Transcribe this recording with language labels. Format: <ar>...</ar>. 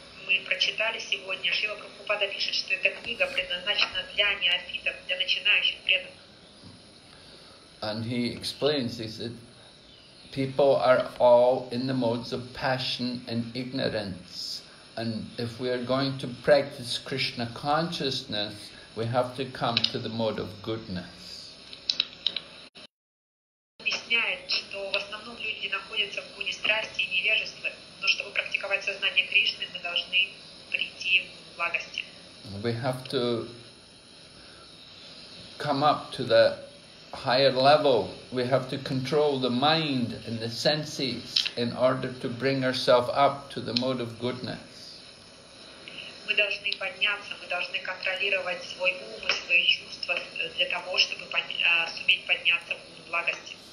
<ru>мы прочитали сегодня, Шрила Прабхупада пишет, что эта книга предназначена для неофитов, для начинающих преданных.</ru> <en>And he explains, he said, people are all in the modes of passion and ignorance. And if we are going to practice Krishna consciousness, we have to come to the mode of goodness.</en> <ru>Объясняет, что в основном люди находятся в гуне страсти и невежества, но чтобы практиковать сознание Кришны, мы должны прийти в благости.</ru> <en>We have to come up to the higher level. We have to control the mind and the senses in order to bring ourselves up to the mode of goodness.</en> <ru>Мы должны подняться, мы должны контролировать свой ум и свои чувства для того, чтобы суметь подняться в благости.</ru>